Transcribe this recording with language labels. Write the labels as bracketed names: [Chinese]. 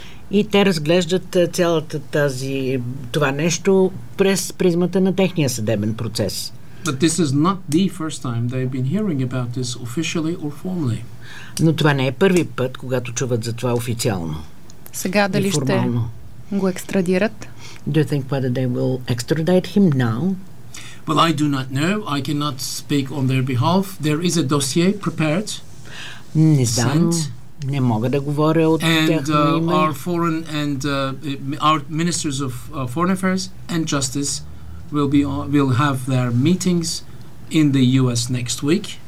[Bulgarian] И те разглеждат цялата тази това нещо през призмата на техния съдебен процес. [English] But this is not the first time they've been hearing about this officially or formally. [Bulgarian] Но това не е първи път, когато чуват за това официално. Сега дали ще го екстрадират? [English] Do you think whether they will extradite him now? Well, I do not know. I cannot speak on their behalf. There is a dossier prepared. [Bulgarian] Не знам. Не мога да говоря от тяхно име. [English] Our foreign and our ministers of foreign affairs and justice will have their meetings in the US next week.